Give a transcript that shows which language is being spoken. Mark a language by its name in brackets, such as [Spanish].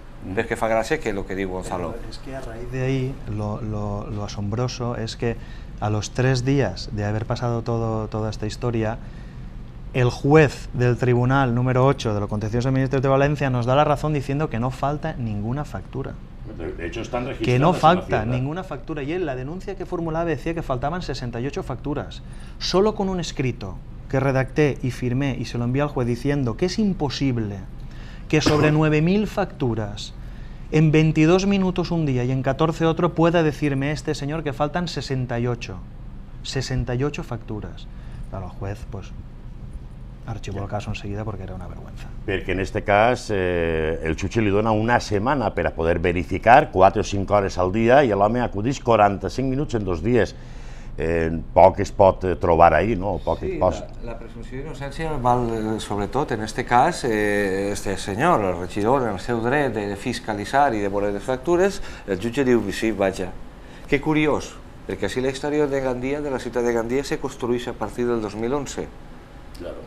[Catalan] Ves que fa gràcia que és el que diu Gonzalo. És que a raïs d'ahir, [Spanish] lo asombroso és que a los 3 [Catalan] dies d'haver passat tota esta història, [Spanish] el juez del tribunal número 8 de lo contencioso administrativo de València nos da la razón diciendo que no falta ninguna factura. De hecho, están registradas. Que no falta ninguna factura. Y él, la denuncia que formulava, decía que faltaban 68 facturas. Solo con un escrito que redacté y firmé y se lo envié al juez diciendo que es imposible que sobre 9.000 facturas, en 22 minutos un día y en 14 otro, pueda decirme este señor que faltan 68. 68 facturas. Claro, el juez, pues, archivó el caso enseguida porque era una vergüenza. Porque en este caso, el Chuchi le dona una semana para poder verificar, 4 o 5 horas al día, y el hombre acudís 45 minutos en dos días. [Catalan] Poc es pot trobar ahí, no? Poc sí, pot... la presunció d'innocència val sobretot en este cas este senyor, el regidor, en el seu dret de fiscalitzar i de voler les factures, el jutge diu sí, vaja, que curiós, perquè així la història de Gandia, de la ciutat de Gandia se construeix a partir del 2011. Claro.